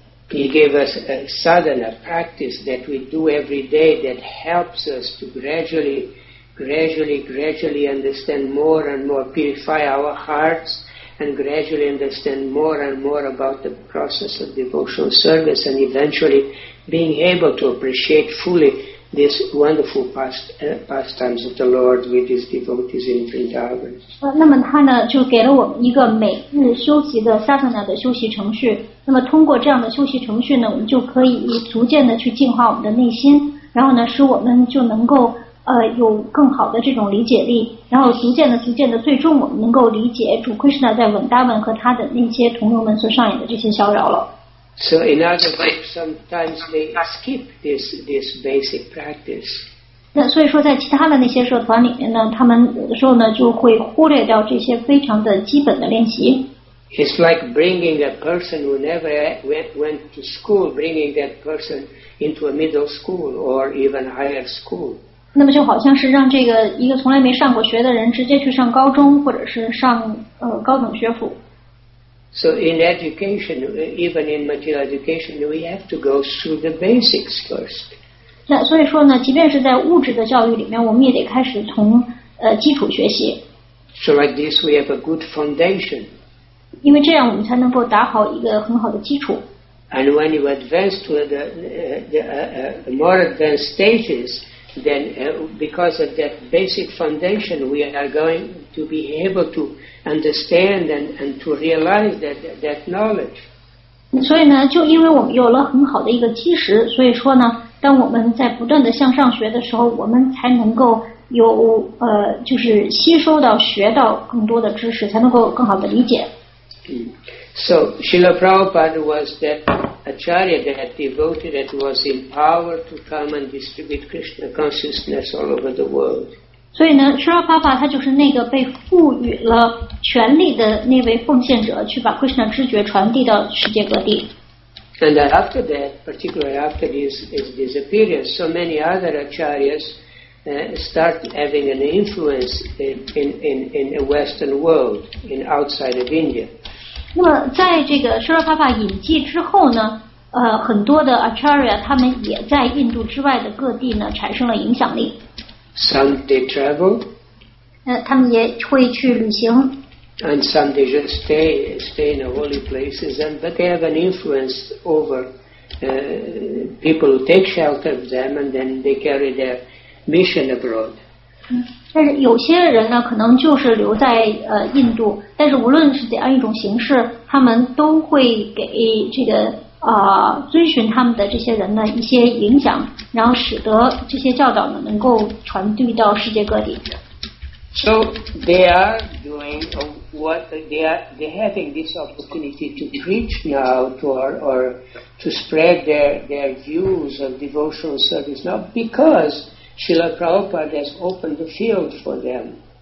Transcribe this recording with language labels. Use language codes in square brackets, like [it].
[en] He gave us a sadhana practice that we do every day that helps us to gradually understand more and more, purify our hearts, and gradually understand more and more about the process of devotional service, and eventually being able to appreciate fully. This wonderful pastimes of the Lord with his devotees in Vrindavan. [zh] 那么他呢就给了我们一个每日修习的 sadhana 的修习程序。那么通过这样的修习程序呢，我们就可以逐渐的去净化我们的内心，然后呢，使我们就能够有更好的这种理解力，然后逐渐的，最终我们能够理解主 Krishna 在 Vrindavan 和他的那些同友们所上演的这些逍遥了。 [en] So in other words, sometimes they skip this basic practice. [zh] 那所以说，在其他的那些社团里面呢，他们有的时候呢就会忽略掉这些非常的基本的练习。 [en] It's like bringing a person who never went to school, bringing that person into a middle school or even higher school. [zh] 那么就好像是让这个一个从来没上过学的人直接去上高中或者是上高等学府。 [en] So in education, even in material education, we have to go through the basics first. [zh] 那所以说呢，即便是在物质的教育里面，我们也得开始从基础学习。 [en] So like this, we have a good foundation. [zh] 因为这样我们才能够打好一个很好的基础。 [en] And when you advance to the more advanced stages, then because of that basic foundation, we are going to be able to. Understand and to realize that knowledge. [zh] 所以呢，就因为我们有了很好的一个基石，所以说呢，当我们在不断的向上学的时候，我们才能够有就是吸收到学到更多的知识，才能够更好的理解。 [en] So Srila Prabhupada was that acharya, that devotee that was empowered to come and distribute Krishna consciousness all over the world. [zh] 所以呢 ，Srila Prabhupada 他就是那个被赋予了权力的那位奉献者，去把 Krishna 知觉传递到世界各地。 [en] And that after that, particularly after his disappearance, so many other acharyas start having an influence in a Western world, in outside of India. [zh] 那么在这个 Srila Prabhupada 隐迹之后呢，很多的 acharya 他们也在印度之外的各地呢产生了影响力。 [en] Some they travel. [zh] 他们也会去旅行。 [en] And some they just stay in the holy places, and but they have an influence over people who take shelter of them, and then they carry their mission abroad. [zh] 但是有些人呢，可能就是留在印度，但是无论是怎样一种形式，他们都会给这个遵循他们的这些人呢一些影响，然后使得这些教导呢能够传递到世界各地。 [en] So they are doing what they're having this opportunity to preach now to or to spread their views of devotional service now because Srila Prabhupada has opened the field for them.